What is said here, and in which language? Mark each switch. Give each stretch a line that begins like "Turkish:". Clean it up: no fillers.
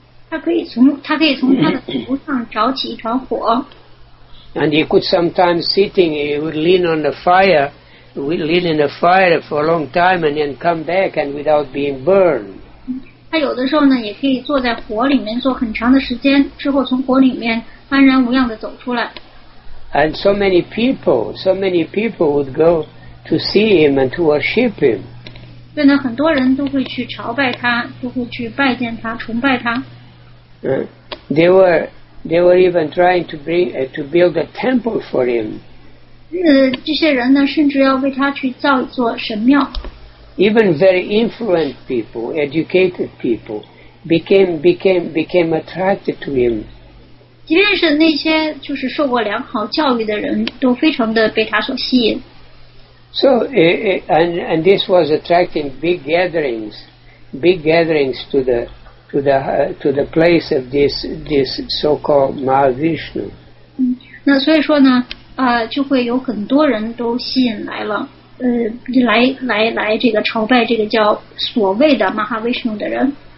Chinese: 他可以从他的头上着起一团火。
English: And he could sometimes sitting, he would lean on the fire, lean in the fire for a long time and then come back and without being burned.
Chinese: 他有的时候呢, 也可以坐在火里面坐很长的时间, 之后从火里面安然无恙地走出来。
English: And so many people would go to see him and to worship him.
Chinese: 对呢, 很多人都会去朝拜他, 都会去拜见他, 崇拜他。
English: They were even trying to bring to build a temple for him.
Chinese: 这些人呢, 甚至要为他去造一座神庙。
English: Even very influential people, educated people, became attracted to him.
Chinese: 即便是那些就是受过良好教育的人, 都非常的被他所吸引。
English: So and this was attracting big gatherings to the place of this so-called Mahavishnu.
Chinese: 那所以说呢, 就会有很多人都吸引来了，来这个朝拜这个叫所谓的 Mahavishnu 的人。